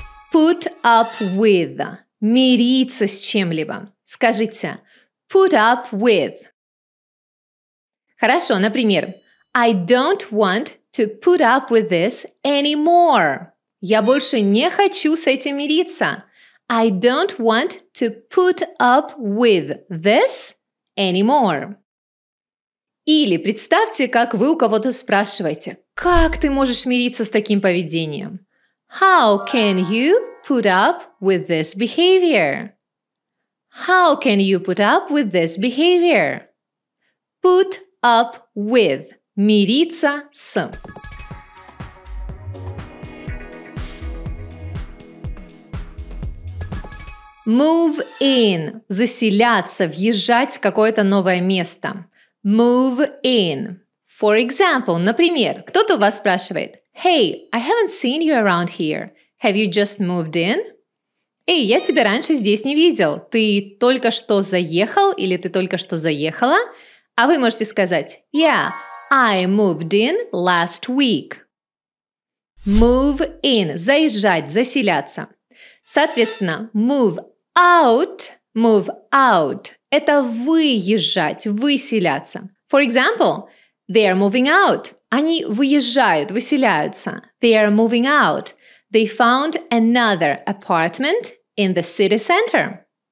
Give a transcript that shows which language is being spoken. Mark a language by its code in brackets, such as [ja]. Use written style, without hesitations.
[en] Put up with – [ru] мириться с чем-либо. Скажите [en] put up with. [ru] Хорошо, например, [en] I don't want to put up with this anymore. [ru] Я больше не хочу с этим мириться. [en] I don't want to put up with this anymore. [ru] Или представьте, как вы у кого-то спрашиваете, как ты можешь мириться с таким поведением? [en] How can you put up with this behavior? How can you put up with this behavior? Put up with. [ru] Мириться с. [en] Move in. [ru] Заселяться, въезжать в какое-то новое место. [en] Move in. For example, [ru] например, кто-то у вас спрашивает, [en] Hey, I haven't seen you around here. Have you just moved in? [ru] Эй, я тебя раньше здесь не видел. Ты только что заехал или ты только что заехала? А вы можете сказать [en] Yeah, I moved in last week. Move in – [ru] заезжать, заселяться. Соответственно, [en] move out [ru] – это выезжать, выселяться. [en] For example, they are moving out. [ru] Они выезжают, выселяются. [en] They are moving out. They found another apartment in the city center.